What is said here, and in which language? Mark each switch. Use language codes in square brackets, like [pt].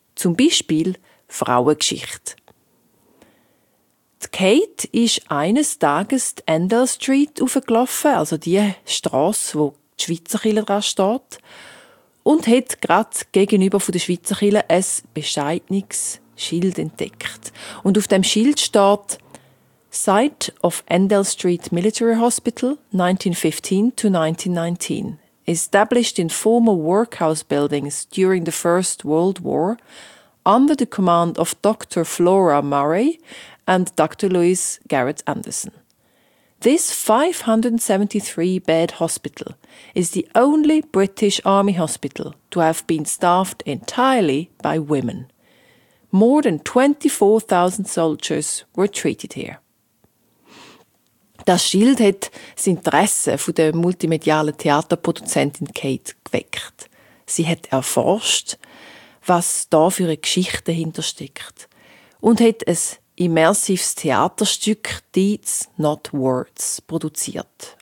[de] Zum Beispiel Frauengeschichte. Kate ist eines Tages die Endell Street hochgelaufen, also die Strasse, wo die Schweizerkirche dran steht, und hat gerade gegenüber von der Schweizerkirche ein bescheidenes Schild entdeckt. Und auf dem Schild steht [en] «Site of Endell Street Military Hospital 1915 to 1919. established in former workhouse buildings during the First World War, under the command of Dr. Flora Murray and Dr. Louise Garrett Anderson. This 573-bed hospital is the only British Army hospital to have been staffed entirely by women. More than 24,000 soldiers were treated here. [de] Das Schild hat das Interesse von der multimedialen Theaterproduzentin Kate geweckt. Sie hat erforscht, was da für eine Geschichte hintersteckt und hat ein immersives Theaterstück «Deeds, Not Words» produziert.